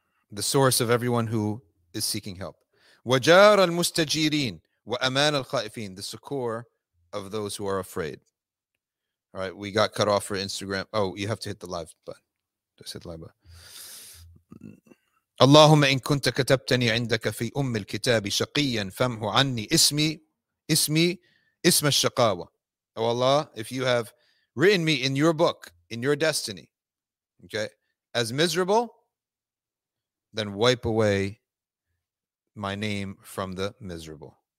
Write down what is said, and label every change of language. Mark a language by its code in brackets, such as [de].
[en] The source of everyone who is seeking help. [ar] وَجَارَ الْمُسْتَجِيرِينَ وَأَمَانَ الْخَائِفِينَ [en] The succor of those who are afraid. All right, we got cut off for Instagram. Oh, you have to hit the live button. Just hit the live button. [ar] اللهم إن كنت كتبتني عندك في أم الكتاب شقيا فامحو عني اسمي اسم الشقاوة. [en] Oh Allah, if you have written me in your book, in your destiny, okay, as miserable, then wipe away my name from the miserable.